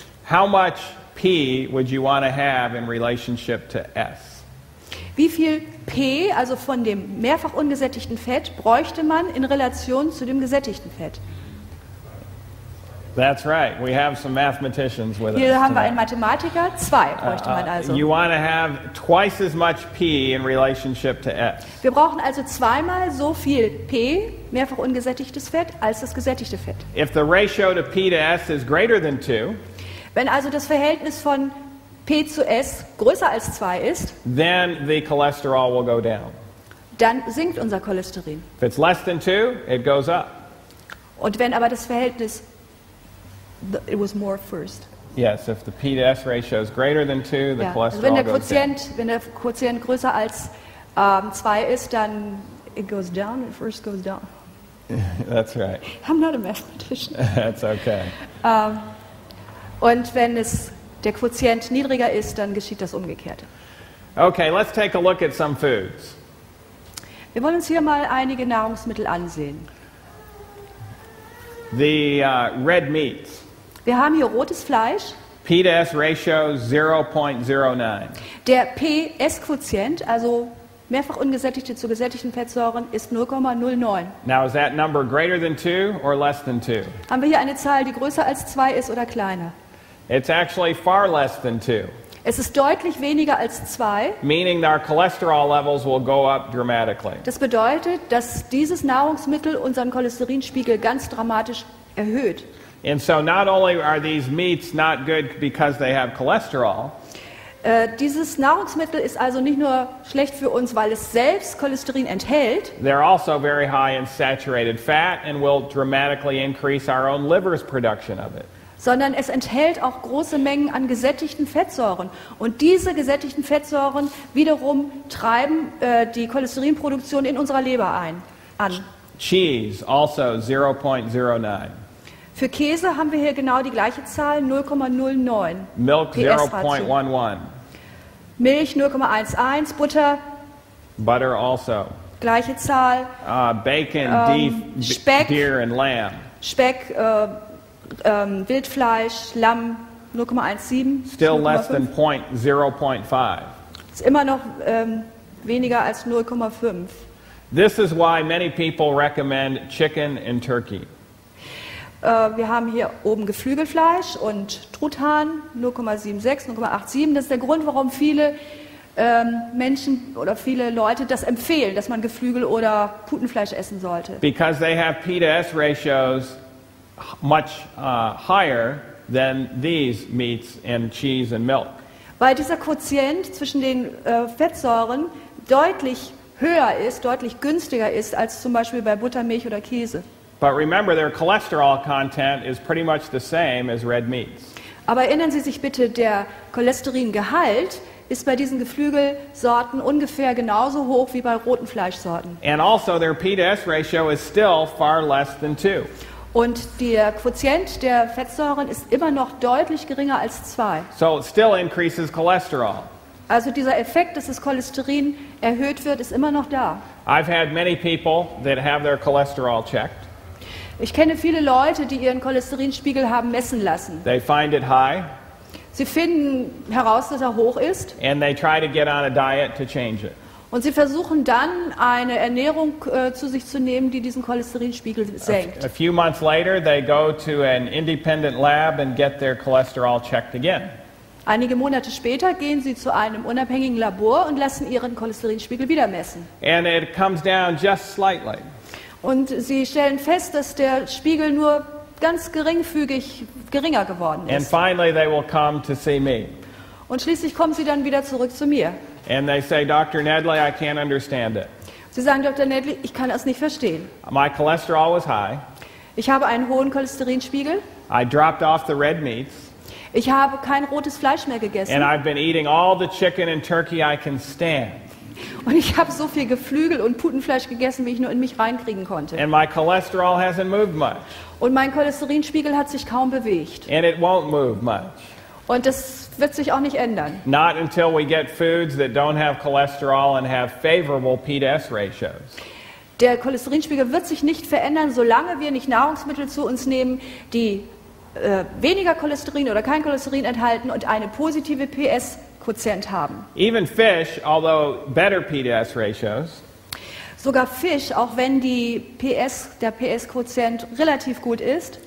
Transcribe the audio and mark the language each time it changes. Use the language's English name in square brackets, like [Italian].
[English] how much P would you want to have in relationship to S? [German] Wie viel P, also von dem mehrfach ungesättigten Fett, bräuchte man in Relation zu dem gesättigten Fett? [English] That's right. We have some mathematicians with [German] Hier [English] us. [German] Hier haben wir einen Mathematiker. Zwei bräuchte man also. [English] You want to have twice as much P in relationship to S. [German] Wir brauchen also zweimal so viel P, mehrfach ungesättigtes Fett, als das gesättigte Fett. [English] If the ratio to P to S is greater than 2, [German] wenn also das Verhältnis von P zu S größer als 2 ist, [English] then the cholesterol will go down. [German] Dann sinkt unser Cholesterin. [English] If it's less than 2, it goes up. [German] Und wenn aber das Verhältnis [English] it was more first. Yes, if the P to S ratio is greater than 2, the cholesterol goes down. [German] Wenn der Quotient größer als 2 ist, dann [English] it goes down, it first goes down. That's right. I'm not a mathematician. That's okay. [German] Und wenn es der Quotient niedriger ist, dann geschieht das Umgekehrte. [English] Okay, let's take a look at some foods. [German] Wir wollen uns hier mal einige Nahrungsmittel ansehen. [English] The red meats. [German] Wir haben hier rotes Fleisch. [English] P to S ratio 0.09. [German] Der PS-Quotient, also mehrfach ungesättigte zu gesättigten Fettsäuren, ist 0,09. [English] Now is that number greater than 2 or less than 2? [German] Haben wir hier eine Zahl, die größer als 2 ist oder kleiner? [English] It's actually far less than 2. [German] Es ist deutlich weniger als 2. [English] Meaning that our cholesterol levels will go up dramatically. [German] Das bedeutet, dass dieses Nahrungsmittel unseren Cholesterinspiegel ganz dramatisch erhöht. [English] And so not only are these meats not good because they have cholesterol. [German] Dieses Nahrungsmittel ist also nicht nur schlecht für uns, weil es selbst Cholesterin enthält. [English] They're also very high in saturated fat and will dramatically increase our own liver's production of it. [German] Sondern es enthält auch große Mengen an gesättigten Fettsäuren. Und diese gesättigten Fettsäuren wiederum treiben die Cholesterinproduktion in unserer Leber an. [English] Cheese, also 0.09. [German] Für Käse haben wir hier genau die gleiche Zahl, 0,09. [English] Milk, 0.11. [German] Milch, 0,11. Butter. [English] Butter, also. [German] Gleiche Zahl. [English] Bacon, beef, [German] Speck, [English] deer and lamb. [German] Speck, Wildfleisch, Lamm, 0,17. [English] Still less than 0.5. [German] Ist immer noch weniger als 0,5. [English] This is why many people recommend chicken and turkey. [German] Wir haben hier oben Geflügelfleisch und Truthahn, 0,76, 0,87. Das ist der Grund, warum viele Menschen oder viele Leute das empfehlen, dass man Geflügel oder Putenfleisch essen sollte. [English] Because they have P to S ratios much higher than these meats and cheese and milk. [German] Weil dieser Quotient zwischen den Fettsäuren deutlich höher ist, deutlich günstiger ist als zum Beispiel bei Butter, Milch oder Käse. [English] But remember, their cholesterol content is pretty much the same as red meats. [German] Aber erinnern Sie sich bitte, der Cholesteringehalt ist bei diesen Geflügelsorten ungefähr genauso hoch wie bei roten Fleischsorten. [English] And also, their P to S ratio is still far less than 2. [German] Und der Quotient der Fettsäuren ist immer noch deutlich geringer als 2. [English] So it still increases cholesterol. [German] Also dieser Effekt, dass das Cholesterin erhöht wird, ist immer noch da. [English] I've had many people that have their cholesterol checked. [German] Ich kenne viele Leute, die ihren Cholesterinspiegel haben messen lassen. [English] They find it high. [German] Sie finden heraus, dass er hoch ist. [English] And they try to get on a diet to change it. [German] Und sie versuchen dann, eine Ernährung zu sich zu nehmen, die diesen Cholesterinspiegel senkt. [English] A few months later, they go to an independent lab and get their cholesterol checked again. [German] Einige Monate später gehen sie zu einem unabhängigen Labor und lassen ihren Cholesterinspiegel wieder messen. [English] And it comes down just slightly. [German] Und sie stellen fest, dass der Spiegel nur ganz geringfügig geringer geworden ist. [English] And finally they will come to see me. [German] Und schließlich kommen sie dann wieder zurück zu mir. [English] And they say, Dr. Nedley, I can't understand it. [German] Sie sagen, Dr. Nedley, ich kann es nicht verstehen. [English] My cholesterol was high. [German] Ich habe einen hohen Cholesterinspiegel. [English] I dropped off the red meats. [German] Ich habe kein rotes Fleisch mehr gegessen. [English] And I've been eating all the chicken and turkey I can stand. [German] Und ich habe so viel Geflügel und Putenfleisch gegessen, wie ich nur in mich reinkriegen konnte. [English] And my cholesterol hasn't moved much. [German] Und mein Cholesterinspiegel hat sich kaum bewegt. [English] And it won't move much. [German] Und das wird sich auch nicht ändern. [English] Not until we get foods that don't have cholesterol and have favorable P to S ratios. [German] Der Cholesterinspiegel wird sich nicht verändern, solange wir nicht Nahrungsmittel zu uns nehmen, die weniger Cholesterin oder kein Cholesterin enthalten und eine positive PS-Quotient haben. [English] Even fish, although better P to S ratios. [German] sogar Fisch, auch wenn die PS, der PS-Quotient relativ gut ist,